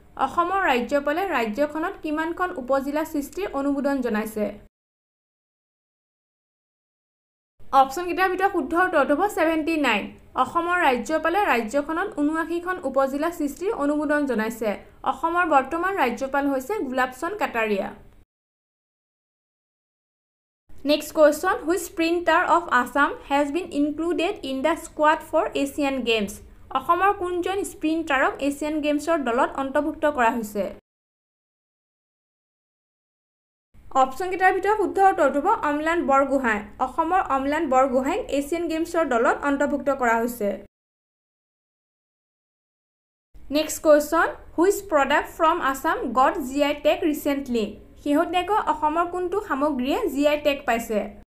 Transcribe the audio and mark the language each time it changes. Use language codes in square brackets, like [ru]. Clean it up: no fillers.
[as] অসমৰ ৰাজ্যপালে ৰাজ্যখনত কিমানখন উপজিলা সৃষ্টিৰ অনুমোদন জনাইছে? অপচনকেইটাৰ ভিতৰত শুদ্ধ উত্তৰটো হ'ব 79। অসমৰ ৰাজ্যপালে ৰাজ্যখনত 79খন উপজিলা সৃষ্টিৰ অনুমোদন জনাইছে। অসমৰ বৰ্তমান ৰাজ্যপাল হৈছে গোলাপচন্দ Kataria. [en] Next question, which sprinter of Assam has been included in the squad for Asian Games? [as] অসমৰ কোনজন স্প্ৰিণ্টাৰক এছিয়ান গেমছৰ দলত অন্তৰ্ভুক্ত কৰা হৈছে অপচনকেইটাৰ ভিতৰত শুদ্ধ উত্তৰটো হ'ব অম্লান বৰগোহাঁই অসমৰ অম্লান বৰগোহাঁইক এছিয়ান গেমছৰ দলত অন্তৰ্ভুক্ত কৰা হৈছে [en] next question which product from Assam got G I tag recently [as] শেহতীয়াকৈ অসমৰ কোনটো সামগ্ৰীয়ে জি আই টেক পাইছে